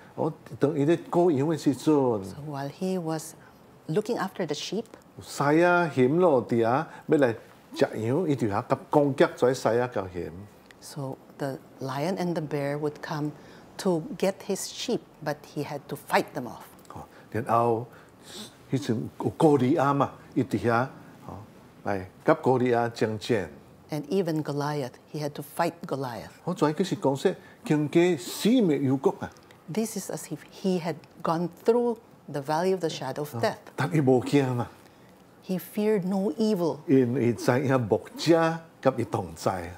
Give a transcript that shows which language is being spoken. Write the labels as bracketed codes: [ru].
[en] while he was looking after the sheep, so the lion and the bear would come to get his sheep, but he had to fight them off. Then I'll. [nan] 迄阵有哥利亚嘛，伊伫遐，吼，来甲哥利亚争战。 [en] And even Goliath, he had to fight Goliath. [nan] 我跩个是讲说，经过死的幽谷啊。 [en] This is as if he had gone through the valley of the shadow of death. [nan] 但伊无惊嘛。 [en] He feared no evil. [nan] 因伊知影牧者甲伊同在。